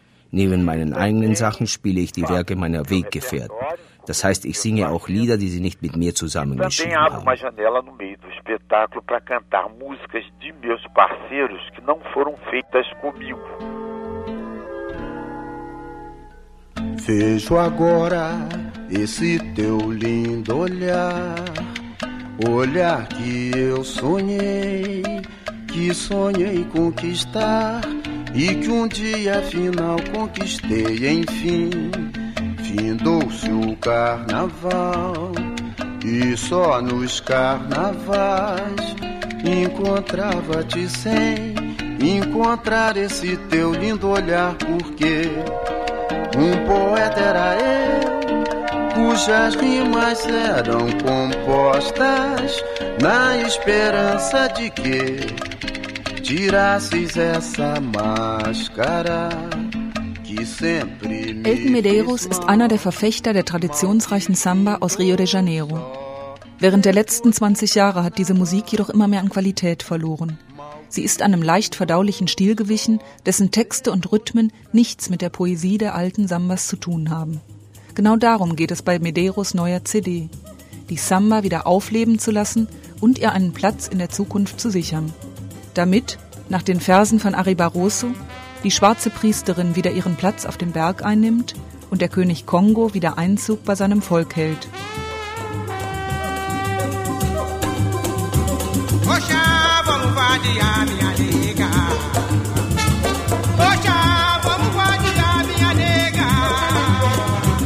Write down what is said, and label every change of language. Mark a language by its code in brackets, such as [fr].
[de] Neben meinen eigenen Sachen spiele ich die Werke meiner Weggefährten. Das heißt, ich singe auch Lieder, die sie nicht mit mir zusammengeschrieben haben. Ich öffne eine [pt] Janela no meio do espetáculo para cantar músicas de meus parceiros que não foram feitas comigo. Vejo agora esse teu lindo olhar, olhar que eu sonhei, que sonhei conquistar, e que um dia final conquistei, enfim. Findou-se o carnaval, e só nos carnavais encontrava-te sem encontrar esse teu lindo olhar, porque um poeta era eu, cujas rimas eram compostas na esperança de que tirasses essa máscara que sempre me... [de] Elton Medeiros ist einer der Verfechter der traditionsreichen Samba aus Rio de Janeiro. Während der letzten 20 Jahre hat diese Musik jedoch immer mehr an Qualität verloren. Sie ist einem leicht verdaulichen Stil gewichen, dessen Texte und Rhythmen nichts mit der Poesie der alten Sambas zu tun haben. Genau darum geht es bei Medeiros neuer CD, die Samba wieder aufleben zu lassen und ihr einen Platz in der Zukunft zu sichern. Damit, nach den Versen von Arriba Rosso, die schwarze Priesterin wieder ihren Platz auf dem Berg einnimmt und der König Kongo wieder Einzug bei seinem Volk hält. [pt] Oxa, vamos vadiar, minha nega. Oxa, vamos vadiar, minha nega.